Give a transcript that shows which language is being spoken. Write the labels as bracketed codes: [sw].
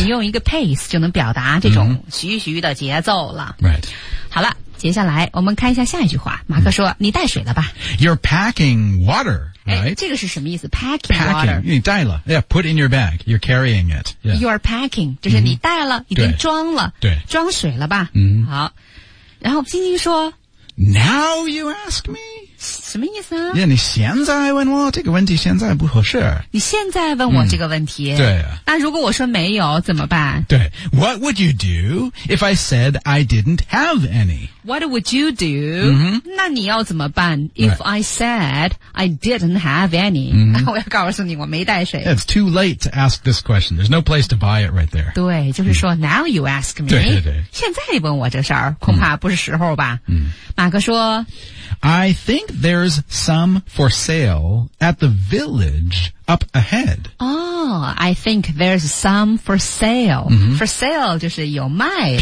[zh] 你用一个 pace 就能表达这种徐徐的节奏了、 [en] right [zh] 好了接下来我们看一下下一句话马克说、你带水了吧 [en] You're packing water、right? [zh] 这个是什么意思 packing, [en] packing water [zh] 你带了 [en] yeah, put in your bag you're carrying it、yeah. You're packing [zh] 就是你带了、已经装了对装水了吧、好然后晶晶说 [en] Now you ask me [zh] 什么意思啊 yeah, 你现在问我这个问题现在不合适你现在问我这个问题、对、那如果我说没有怎么办 [en] 对 What would you do if I said I didn't have any What would you do、 [zh] 那你要怎么办 [en] If、I said I didn't have any、 [zh] 我要告诉你我没带水 [en] It's too late to ask this question There's no place to buy it right there [zh] 对就是说、 [en] Now you ask me [zh] 对对对现在你问我这事儿恐怕不是时候吧、马克说 [en] I think there's some for sale at the village up ahead. Oh, I think there's some for sale.、For sale [zh] 就是有卖的。